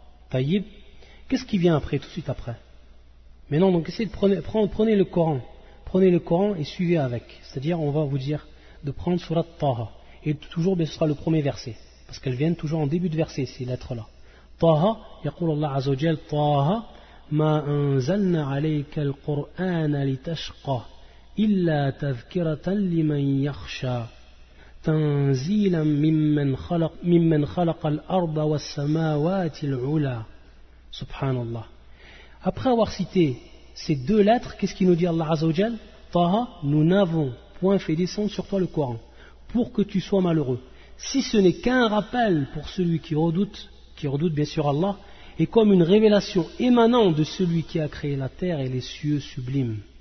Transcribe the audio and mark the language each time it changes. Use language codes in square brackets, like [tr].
[fr] Tayyib, qu'est-ce qui vient après, tout de suite après? Maintenant, donc essayez de prenez le Coran et suivez avec, c'est-à-dire on va vous dire de prendre surat Taha, et toujours bien, ce sera le premier verset, parce qu'elles viennent toujours en début de verset, ces lettres-là. [ar] Taha, yaqul Allah azawajal, Taha. ما أنزلنا عليك القرآن لتشقى إلا تذكرة لمن يخشى تنزيلا ممن خلق الأرض والسماوات العلى. سبحان الله. [fr] Après avoir cité ces deux lettres, qu'est-ce qu'il nous dit Allah Azza wa Jal? Taha, nous n'avons point fait descendre sur toi le Coran pour que tu sois malheureux, si ce n'est qu'un rappel pour celui qui redoute bien sûr Allah, et comme une révélation émanant de celui qui a créé la terre et les cieux sublimes.